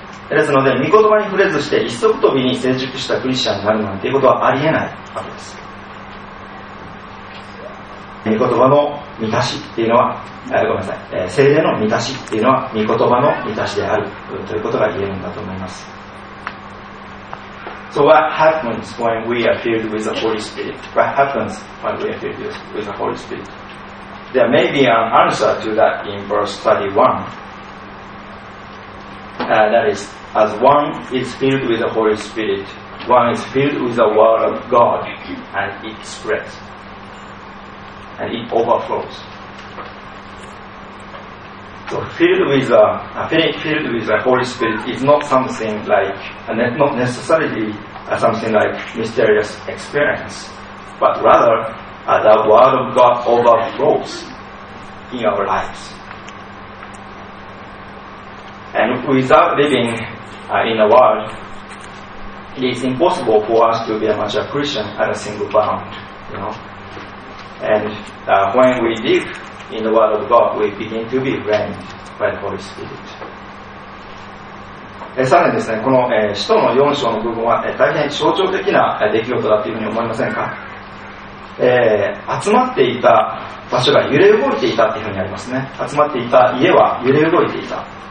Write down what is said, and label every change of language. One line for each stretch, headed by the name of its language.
Japanese: ですので、御言葉に触れずして一足飛びに成熟したクリスチャンになるなんていうことはありえないわけです。御言葉の満たしっていうのは、ごめんなさい、聖霊の満たしっていうのは御言葉の満たしであるということが言えるんだと思います。
English: So what happens when we are filled with the Holy Spirit? What happens when we are filled with the Holy Spirit? There may be an answer to that in verse 31. That is, as one is filled with the Holy Spirit, one is filled with the word of God and it spreads. And it overflows. So filled with the Holy Spirit is not something like, not necessarily something like mysterious experience, but rather the word of God overflows in our lives. And without living in the world, it is impossible for us to be a mature Christian at a single bound, you know. And when we live in the Word of God, we begin to be reigned by the Holy Spirit.
Japanese: さらにですね、この使徒の4章の部分は大変象徴的な出来事だというふうに思いませんか？集まっていた場所が揺れ動いていたというふうにありますね。集まっていた家は揺れ動いていた。